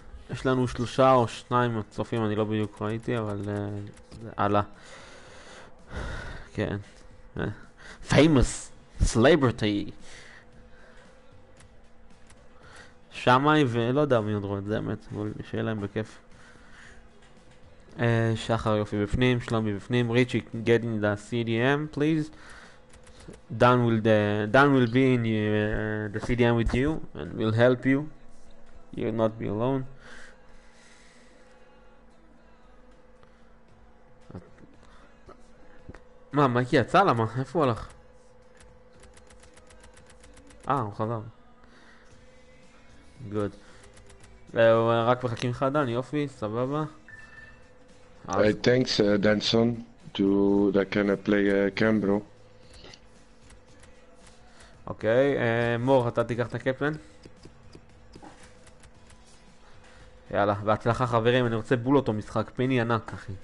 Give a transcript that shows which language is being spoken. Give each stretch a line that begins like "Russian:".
Hebrew: יש לנו שלושה או שניים צופים, אני לא בדיוק ראיתי, אבל זה עלה. כן.
English: Famous celebrity.
Hebrew: שמאי ולא יודע מי עוד רואה את זה, באמת. שיהיה להם בכיף. שחר יופי בפנים, שלומי בפנים.
English: ריצ'י, get in the CDM, please. Dan will be in the CDM with you and will help you. You will not be alone.
Hebrew: מה, מייקי יצא? למה? איפה הוא הלך? אה, הוא חזר. גוד. רק מחכים לך, דן, יופי, סבבה.
English: Thanks, Danson, to that kind of play Cambro.
Hebrew: אוקיי, מור, אתה תיקח את הקפלן? יאללה, בהצלחה חברים, אני רוצה בול אותו משחק, פיני ענק, אחי.